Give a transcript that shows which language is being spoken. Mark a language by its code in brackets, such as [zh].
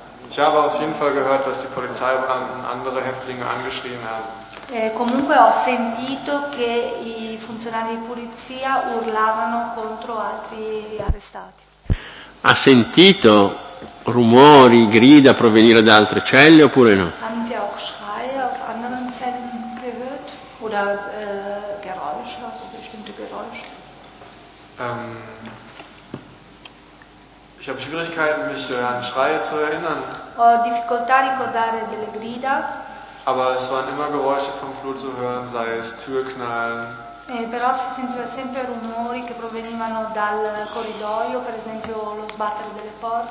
[de] Ich habe auf jeden Fall gehört, dass die Polizeibeamten andere Häftlinge angeschrien haben. [it] Comunque ho sentito che i funzionari di polizia urlavano contro altri arrestati. Ha sentito rumori, grida provenire da altre celle oppure no? [de] Haben Sie auch Schreie aus anderen Zellen gehört? Oder Geräusche, also bestimmte Geräusche? Ich habe Schwierigkeiten, mich an Schreie zu erinnern. [it] Ho difficoltà a ricordare delle grida. [de] Aber es waren immer Geräusche vom Flur zu hören, sei es Türknallen. [it] Però si sentiva sempre rumori che provenivano dal corridoio, per esempio lo sbattere delle porte.